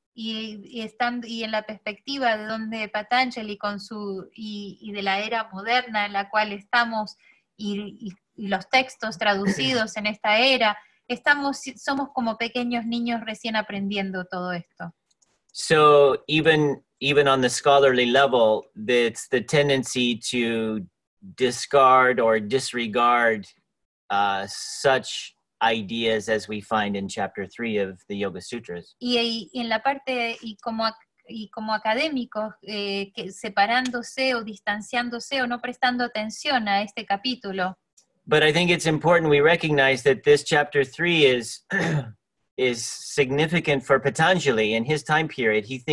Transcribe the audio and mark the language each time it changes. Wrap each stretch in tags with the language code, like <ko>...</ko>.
<es>Y en la perspectiva de donde Patanjali con su y de la era moderna en la cual estamos y los textos traducidos en esta era, somos como pequeños niños recién aprendiendo todo esto.</es> <en>So even even on the scholarly level, it's the tendency to discard or disregard such ideas as we find in chapter 3 of the Yoga Sutras.</en> <es>Y en la parte y como académicos, que separándose o distanciándose o no prestando atención a este capítulo.</es> <en>But I think it's important we recognize that this chapter 3 is significant for Patanjali in his time period.</en>